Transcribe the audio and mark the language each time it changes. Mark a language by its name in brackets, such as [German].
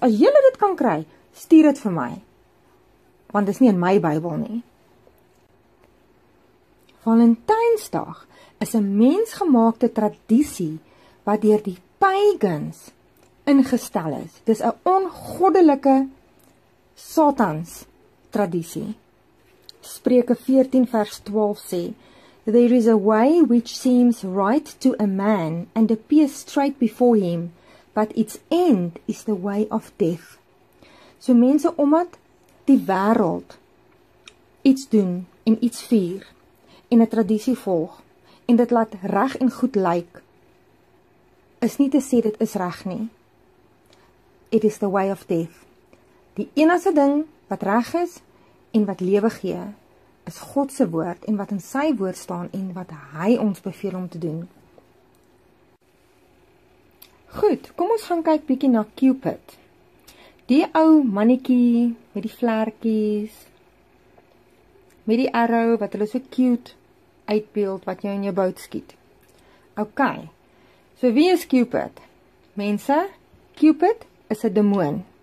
[Afrikaans] As julle dit kan kry, stuur dit vir my. Want dis nie in my Bybel nie. Valentynsdag is 'n mensgemaakte tradisie wat deur die pagans ingestel is. Dis 'n ongoddelike Satans tradisie. Spreuke 14 vers 12 sê, [English] "There is a way which seems right to a man and appears straight before him, but its end is the way of death." [Afrikaans] So mense, omdat die wêreld iets doen en iets vier en 'n tradisie volg en dit laat reg en goed lyk, is nie te sê dit is reg nie. [English] It is the way of death. [Afrikaans] Die enigste ding wat reg is en wat lewe gee, is God se woord en wat in sy woord staan en wat hy ons beveel om te doen. Goed, kom ons gaan kyk bietjie na Cupid. Die ou mannetjie met die vlekkies, met die arrow wat hulle so cute uitbeeld wat jou in jou boot skiet. Ok, so wie is Cupid? Mense, Cupid is een demoon.